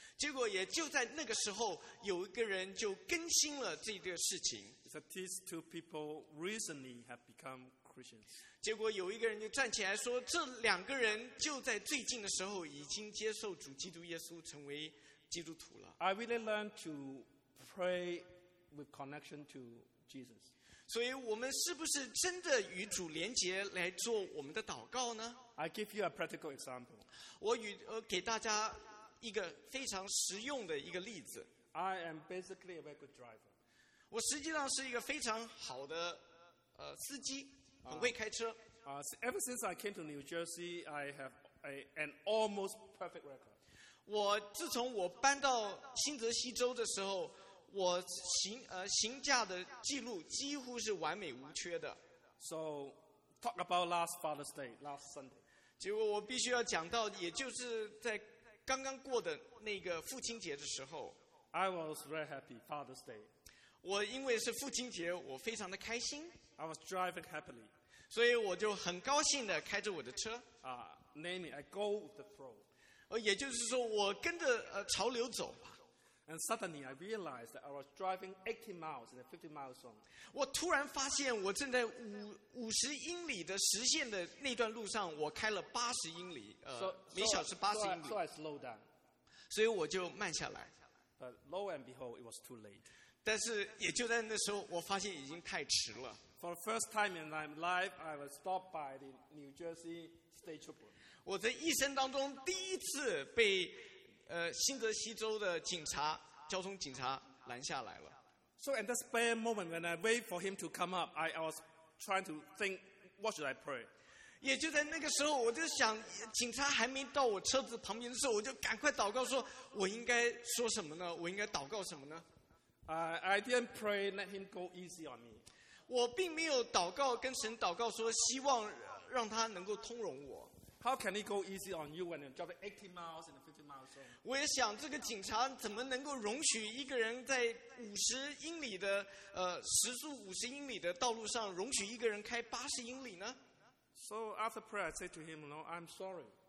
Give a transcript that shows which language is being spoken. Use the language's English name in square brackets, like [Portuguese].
[Chinese] 结果也就在那个时候，有一个人就更新了这个事情。 [English] So these two people recently have become Christians. [Chinese] 结果有一个人就站起来说，这两个人就在最近的时候已经接受主基督耶稣成为基督徒了。 [English] I really learned to pray with connection to Jesus. [Chinese] 所以我们是不是真的与主连结来做我们的祷告呢？ [English] I give you a practical example. [Chinese] 我给大家一个非常实用的一个例子。 [English] I am basically a very good driver. [Chinese] 我实际上是一个非常好的司机，很会开车。 [English] Ever since I came to New Jersey, I have an almost perfect record. [Chinese] 我自从我搬到新泽西州的时候，我行驾的记录几乎是完美无缺的。 [English] So talk about last Father's Day, last Sunday. [Chinese] 结果我必须要讲到，也就是在刚刚过的那个父亲节的时候。 [English] I was very happy Father's Day. [Chinese] 我因为是父亲节，我非常的开心。 [English] I was driving happily. [Chinese] 所以我就很高兴的开着我的车。 [English] Namely, I go with the flow. [Chinese] 也就是说我跟着潮流走吧。 [English] And suddenly I realized that I was driving 80 miles in a 50 mile zone. [Chinese] 我突然发现我正在50英里的实线的那段路上，我开了80英里，每小时80英里。 [English] So I slow down. [Chinese] 所以我就慢下来。 [English] But lo and behold, it was too late. [Chinese] 但是也就在那时候，我发现已经太迟了。 [English] For the first time in my life, I was stopped by the New Jersey State Trooper. [Chinese] 我的一生当中第一次被新泽西州的警察、交通警察拦下来了。 [English] So at that spare moment when I wait for him to come up, I was trying to think, what should I pray? [Chinese] 也就在那个时候，我就想，警察还没到我车子旁边的时候，我就赶快祷告说，我应该说什么呢？我应该祷告什么呢？ [English] I didn't pray, let him go easy on me. [Chinese] 我并没有祷告跟神祷告说希望让他能够通融我。 [English] How can he go easy on you when you're driving 80 miles in a 50 mile zone? [Chinese] 我也想这个警察怎么能够容许一个人在50英里的时速50英里的道路上容许一个人开80英里呢？ [English] So after prayer, I said to him, no, I'm sorry.